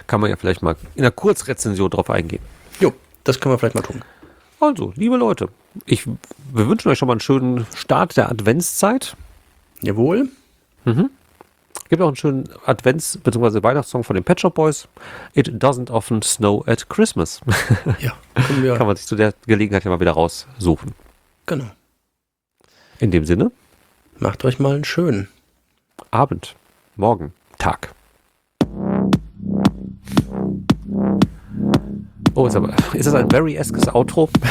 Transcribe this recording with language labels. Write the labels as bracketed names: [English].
[German] Kann man ja vielleicht mal in einer Kurzrezension drauf eingehen. Jo, das können wir vielleicht mal tun. Also, liebe Leute, wir wünschen euch schon mal einen schönen Start der Adventszeit. Jawohl. Gibt auch einen schönen Advents- bzw. Weihnachtssong von den Pet Shop Boys. [English] It doesn't often snow at Christmas. [German] Ja, kann man sich zu der Gelegenheit ja mal wieder raussuchen. Genau. In dem Sinne, macht euch mal einen schönen Abend, Morgen, Tag. Oh, ist das ein Barry-eskes Outro?